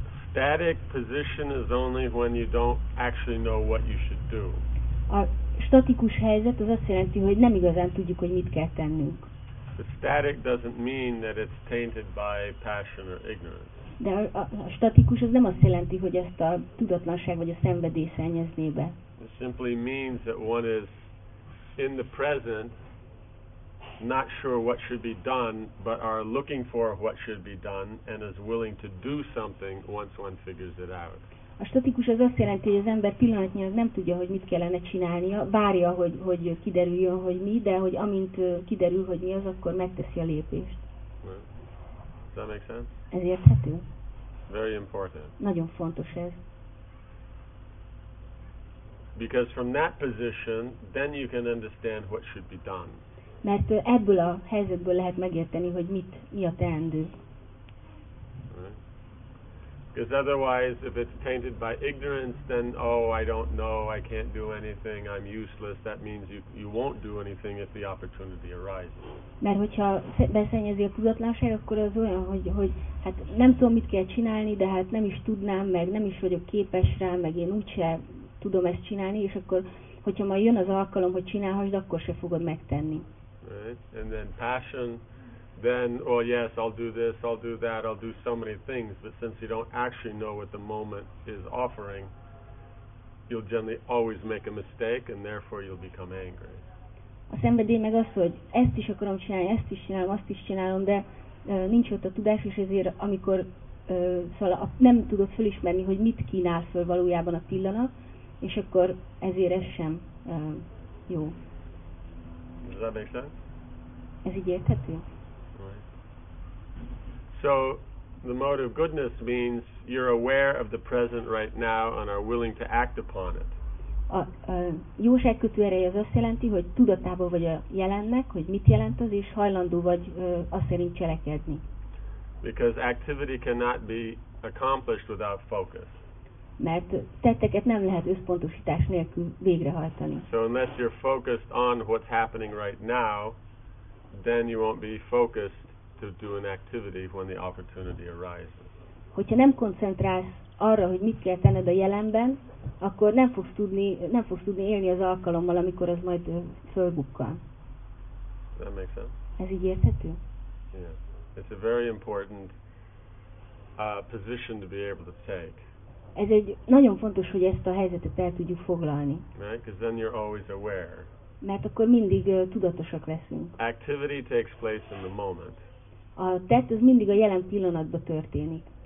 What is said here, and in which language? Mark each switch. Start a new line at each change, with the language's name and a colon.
English: Static position is only when you don't actually know what you should do.
Hungarian: A statikus helyzet az azt jelenti, hogy nem igazán tudjuk, hogy mit kell tennünk.
English: But static doesn't mean that it's tainted by passion or ignorance.
Hungarian: De a statikus az nem azt jelenti, hogy ezt a tudatlanság vagy a szenvedély szennyezné be.
English: It simply means that one is in the present, not sure what should be done, but are looking for what should be done, and is willing to do something once one figures it out.
Hungarian: A statikus az azt jelenti, hogy az ember pillanatnyilag nem tudja, hogy mit kellene csinálnia, várja, hogy kiderüljön, hogy mi, de hogy amint kiderül, hogy mi az, akkor megteszi a lépést.
English: Does that make sense?
Hungarian: Ez érthető.
English: Very important.
Hungarian: Nagyon fontos ez.
English: Because from that position, then you can understand what should be done.
Hungarian: Mert ebből a helyzetből lehet megérteni, hogy mi a teendő.
English: Right. Because otherwise, if it's tainted by ignorance, then, oh, I don't know, I can't do anything, I'm useless. That means you won't do anything if the opportunity arises.
Hungarian: Mert hogyha beszennyezi a tudatlanság, akkor az olyan, hogy hát nem tudom, mit kell csinálni, de hát nem is tudnám, meg nem is vagyok képes rá, meg én úgysem tudom ezt csinálni, és akkor, hogyha majd jön az alkalom, hogy csinálhassd, akkor se fogod megtenni.
English: Right. And then passion, then, well, yes, I'll do this, I'll do that, I'll do so many things, but since you don't actually know what the moment is offering, you'll generally always make a mistake, and therefore you'll become angry.
Hungarian: A szenvedély meg az, hogy ezt is akarom csinálni, ezt is csinálom, azt is csinálom, de nincs ott a tudás, és ezért, amikor szóval nem tudod fölismerni, hogy mit kínál föl valójában a pillanat, és akkor ezért ez sem jó.
English: Does that make sense?
Hungarian: Ez így érthető?
English: Right. So, the mode of goodness means you're aware of the present right now and are willing to act upon it.
Hungarian: A jóságkötő ereje az azt jelenti, hogy tudatában vagy a jelennek, hogy mit jelent az, és hajlandó vagy azt szerint cselekedni.
English: Because activity cannot be accomplished without focus.
Hungarian: Mert tetteket nem lehet összpontosítás nélkül végrehajtani.
English: So unless you're focused on what's happening right now, then you won't be focused to do an activity when the opportunity arises.
Hungarian: Hogyha nem koncentrálsz arra, hogy mit kell tenned a jelenben, akkor nem fogsz tudni élni az alkalommal, amikor az majd fölbukkan.
English: That makes sense.
Hungarian: Ez így érthető?
English: Yeah. It's a very important position to be able to take.
Hungarian: Ez egy nagyon fontos, hogy ezt a helyzetet el tudjuk foglalni.
English: Right? Because then you're always aware.
Hungarian: Mert akkor mindig tudatosak leszünk.
English: Activity takes place in the moment.
Hungarian: A tett az mindig a jelen pillanatban történik.